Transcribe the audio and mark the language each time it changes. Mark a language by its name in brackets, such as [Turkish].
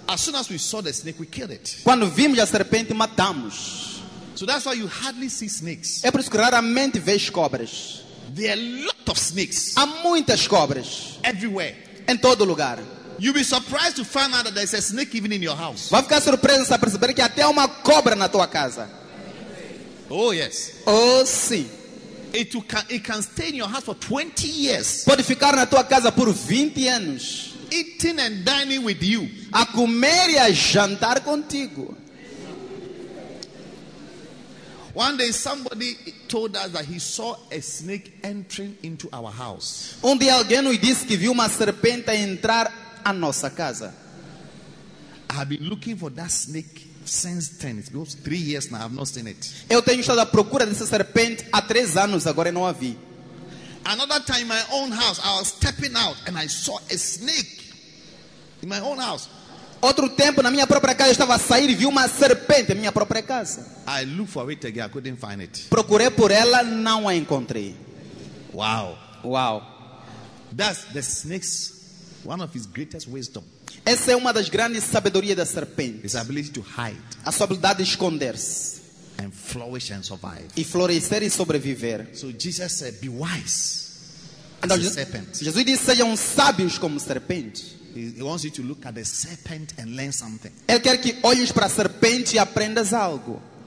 [English] As soon as we saw the snake, we killed it. [Portuguese] Quando vimos a serpente, matamos. [English] So that's why you hardly see snakes. [Portuguese] É por isso que raramente vês cobras. [English] There are lots of snakes. [Portuguese] Há muitas cobras. [English] Everywhere. [Portuguese] Em todo lugar. [English] You'll be surprised to find out that there's a snake even in your house. [Portuguese] Vai ficar surpreso a perceber que até há uma cobra na tua casa. [English] Oh yes. [Portuguese] Oh sim. [English] It can stay in your house for 20 years. [Portuguese] Pode ficar na tua casa por 20 anos. [English] Eating and dining with you. [Portuguese] A comer e a jantar contigo. [English] One day somebody told us that he saw a snake entering into our house. [Portuguese] Um dia alguém nos disse que viu uma serpente a entrar à nossa casa. [English] I've been looking for that snake since then. It's been 3 years now. I've not seen it. [Portuguese] Eu tenho estado à procura dessa serpente há 3 anos, agora não a vi. [English] Another time in my own house, I was stepping out and I saw a snake in my own house. [Portuguese] Outro tempo, na minha própria casa, eu estava a sair e vi uma serpente na minha própria casa. [English] I looked for it again, I couldn't find it. [Portuguese] Procurei por ela, não a encontrei. Wow. Wow. [English] That's the snake's one of his greatest wisdom. [Portuguese] Essa é uma das grandes sabedorias da serpente. [English] His ability to hide. [Portuguese] A sua habilidade de esconder-se. [English] And flourish and survive. [Portuguese] E florescer e sobreviver. [English] So Jesus said, be wise. [Portuguese] Então, Jesus disse, sejam sábios como serpente. [English] He wants you to look at the serpent and learn something. [Portuguese] Ele quer que olhes para a serpente e aprendas algo.